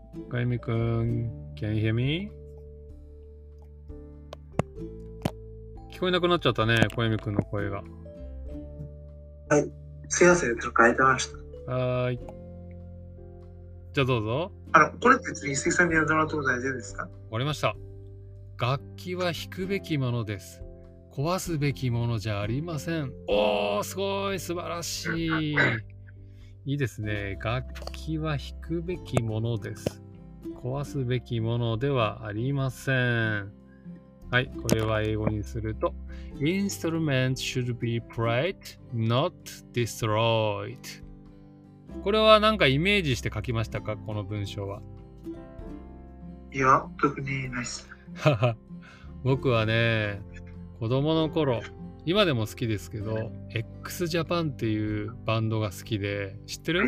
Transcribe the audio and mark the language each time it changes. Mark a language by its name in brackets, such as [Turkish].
[English] 小泉くん、 Can you hear me? [Japanese] 聞こえなくなっちゃったね、小泉くんの声が。はい、すいません、変えてました。はい、じゃあどうぞ。あの、これって一石さんにやってもらっても大丈夫ですか？終わりました。楽器は弾くべきものです。壊すべきものじゃありません。おー、すごい、素晴らしい。いいですね。楽器は弾くべきものです、壊すべきものではありません。はい、これは英語にすると [English] Instrument should be played, not destroyed. [Japanese] これはなんかイメージして書きましたか、この文章は？いや、特にないです。僕はね、子供の頃、今でも好きですけど、XJAPAN っていうバンドが好きで、知ってる？